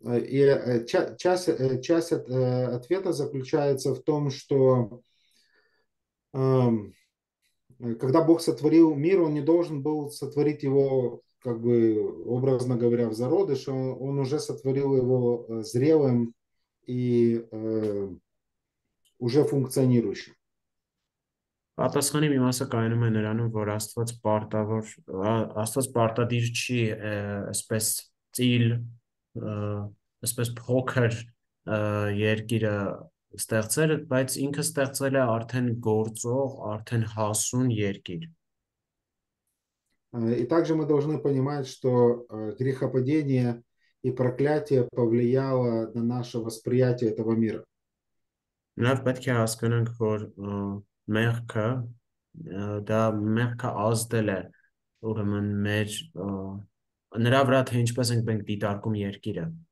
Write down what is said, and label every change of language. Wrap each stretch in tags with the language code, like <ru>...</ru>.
<ru>И часть ответа заключается в том, что когда Бог сотворил мир, Он не должен был сотворить его, как бы образно говоря, в зародыше, Он уже сотворил его зрелым и уже функционирующим.</ru> <hy>Պատասխանի մի մասը կայանում է նրանում, որ Աստված պարտավոր, Աստված պարտադիր չի այսպես ծիլ, այսպես փոքր երկիրը ստեղծել, բայց ինքը ստեղծել է արդեն գործող, արդեն հասուն երկիր։</hy> <ru>И также мы должны понимать, что грехопадение и проклятие повлияло на наше восприятие этого мира.</ru> <hy>Նաև պետք է հասկանանք, որ մեղքը, դա մեղքը ազդել է, ուրեմն մեր նրա վրա, թե ինչպես ենք մենք դիտարկում երկիրը։</hy>